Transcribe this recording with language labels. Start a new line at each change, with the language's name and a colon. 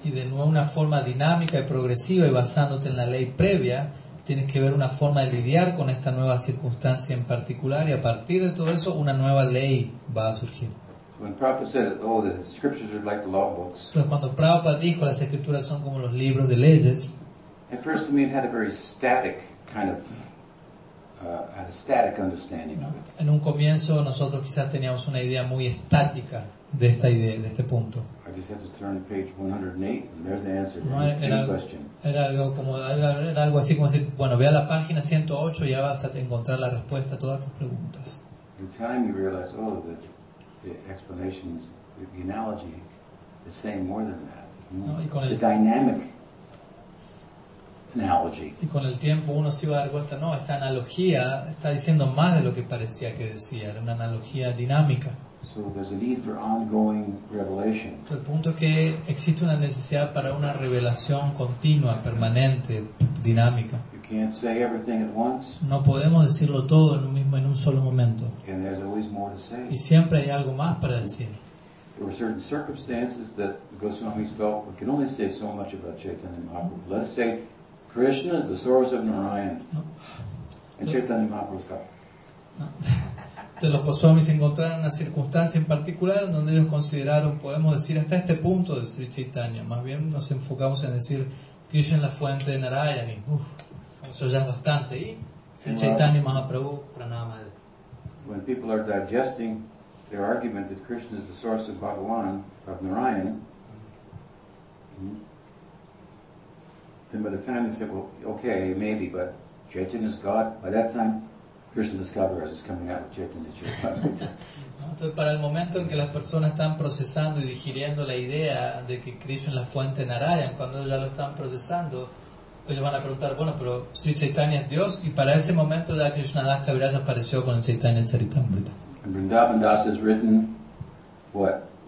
Spanish: Y de nuevo una forma dinámica y progresiva y basándote en la ley previa, tienes que ver una forma de lidiar con esta nueva circunstancia en particular, y a partir de todo eso una nueva ley va a surgir.
English: When Prabhupada said, "Oh, the scriptures are like the law books."
Spanish: Entonces cuando Prabhupada dijo las escrituras son como los libros de leyes.
English: At first, we had a very static kind of. Had a static understanding of it.
Spanish: En un comienzo nosotros quizás teníamos una idea muy estática de esta idea, de este punto.
English: I just have to turn to page 108 and there's the answer to any question.
Spanish: Era algo así como decir, bueno, ve a la página 108 y ya vas a encontrar la respuesta a todas tus preguntas.
English: In time you realize, oh, that the explanations, the analogy is saying more than that. It's a dynamic analogy.
Spanish: Y con el tiempo uno se iba a dar cuenta, no, esta analogía está diciendo más de lo que parecía que decía, era una analogía dinámica.
English: So there's a need for ongoing revelation.
Spanish: El punto es que existe una necesidad para una revelación continua, permanente, dinámica.
English: You can't say everything at once.
Spanish: No podemos decirlo todo en un mismo, en un solo momento.
English: And there's always more to say.
Spanish: Y siempre hay algo más para decir.
English: There were certain circumstances that the Goswamis felt we can only say so much about Chaitanya Mahaprabhu. Mm-hmm. Let's say Krishna is the source of Narayan. No. And Chaitanya Mahaprabhu's God.
Spanish: Entonces los Goswamis encontraron una circunstancia en particular en donde ellos consideraron, podemos decir hasta este punto de Sri Chaitanya, más bien nos enfocamos en decir Krishna es la fuente de Narayan y eso ya es bastante. Y Sri Chaitanya Mahaprabhu, pranama.
English: When people are digesting their argument that Krishna is the source of Bhagavan, of Narayan, then by the time they say, well, okay, maybe, but Chaitanya is God, by that time, Krishna's Kaviraj is coming out with Chaitanya Charitamrita.
Spanish: Entonces, para el momento en que las personas están procesando y digiriendo la idea de que Krishna es la fuente de Narayan, cuando ya lo están procesando, ellos van a preguntar, bueno, pero si Chaitanya es Dios, y para ese momento ya Krishna Das Kaviraj apareció con el Chaitanya Charitamrita.
English: And Vrindavan Das has written what?